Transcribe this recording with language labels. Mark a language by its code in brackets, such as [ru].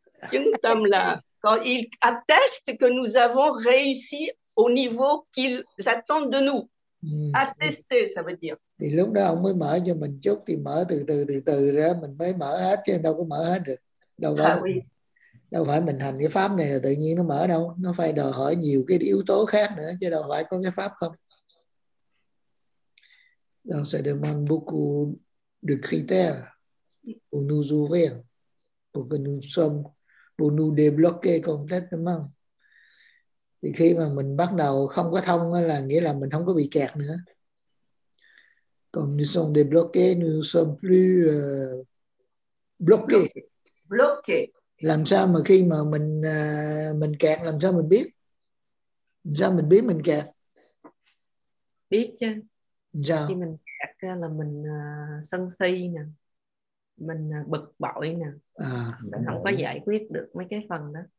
[vi] Chứng tâm là [fr] quand ils attestent que nous avons réussi au niveau qu'ils attendent de nous. Attester, ça veut dire. [vi] Thì lúc đó ông mới mở cho mình chút, thì mở từ từ ra mình mới mở hết chứ đâu có mở hết được. Đâu phải mình hành cái pháp này là tự nhiên nó mở đâu, nó phải đòi hỏi nhiều cái yếu tố khác nữa chứ đâu phải có cái pháp không. [fr] Donc ça demande beaucoup de critères pour nous ouvrir, pour que nous sommes, pour nous débloquer complètement. [vi] Thì khi mà mình bắt đầu không có thông là nghĩa là mình không có bị kẹt nữa. [fr] Quand nous sommes débloqués, nous ne sommes plus bloqués. [vi] Làm sao mà khi mà mình kẹt, làm sao mình biết? Làm sao mình biết mình kẹt? Biết chứ. Sao? Khi mình kẹt là mình sân si nè. Mình bực bội nè. À, mình không có giải quyết được mấy cái phần đó.